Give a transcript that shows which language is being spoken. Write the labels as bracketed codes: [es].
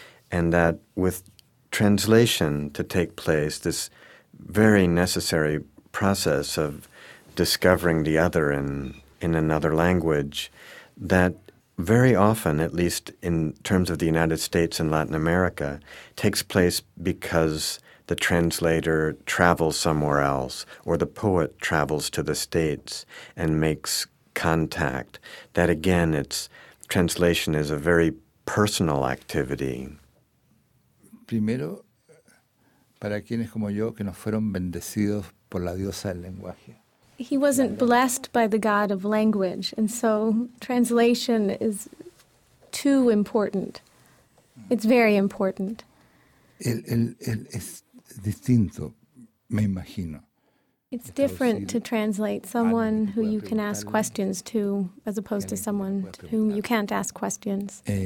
[en] and that with translation to take place, this very necessary process of discovering the other in another language, that very often, at least in terms of the United States and Latin America, takes place because the translator travels somewhere else or the poet travels to the States and makes contact. That again, it's translation is a very personal activity. [es] Primero, para quienes como yo que nos fueron bendecidos por la diosa del lenguaje. [en] He wasn't blessed by the god of language, and so translation is too important. It's very important. [es] El es distinto, me imagino. [en] It's different to translate someone who you can ask questions to as opposed to someone to whom you can't ask questions.